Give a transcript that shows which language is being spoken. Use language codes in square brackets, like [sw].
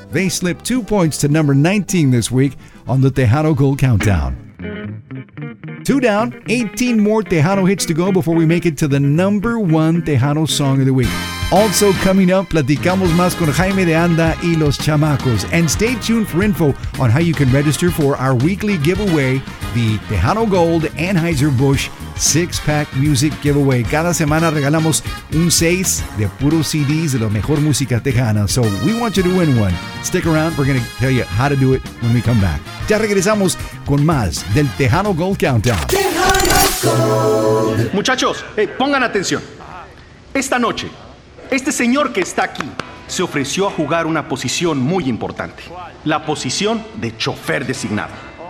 [en] They slipped 2 points to number 19 this week on the Tejano Gold Countdown. Two down, 18 more Tejano hits to go before we make it to the number one Tejano song of the week. Also coming up, [es] platicamos más con Jaime de Anda y Los Chamacos. [en] And stay tuned for info on how you can register for our weekly giveaway, the Tejano Gold Anheuser-Busch Six-Pack Music Giveaway. [es] Cada semana regalamos un 6 de puro CDs de la mejor música tejana. [en] So we want you to win one. Stick around, we're going to tell you how to do it when we come back. [es] Ya regresamos con más del Tejano Gold Countdown. [en] Tejano Gold. [es] Muchachos, hey, pongan atención. Esta noche, este señor que está aquí se ofreció a jugar una posición muy importante. La posición de chofer designado.